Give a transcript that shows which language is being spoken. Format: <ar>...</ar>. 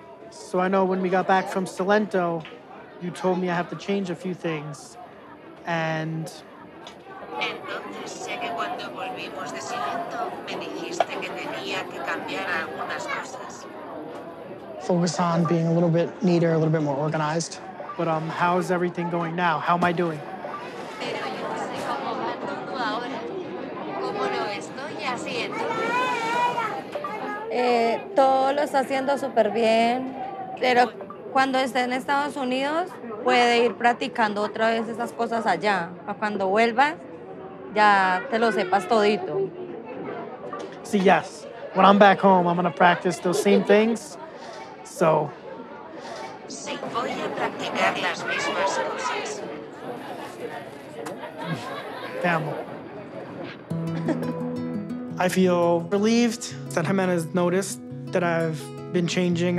<en>So I know when we got back from Salento, you told me I have to change a few things. And...</en> <es>Entonces sé que cuando volvimos de Salento, me dijiste que tenía que cambiar algunas cosas.</es> <en>Focus on being a little bit neater, a little bit more organized. But how's everything going now? How am I doing?</en> <es>Pero yo no sé cómo va todo ahora. ¿Cómo lo estoy haciendo? Todo lo está haciendo súper bien. Pero cuando esté en Estados Unidos, puede ir practicando otra vez esas cosas allá. Para cuando vuelvas, ya te lo sepas todito. Sí, yes.</es> <en>When I'm back home, I'm going to practice those same things. So.</en> <es>Sí, voy a practicar las mismas cosas.</es> <en>Damn. I feel relieved that Ximena's noticed that I've been changing.</en>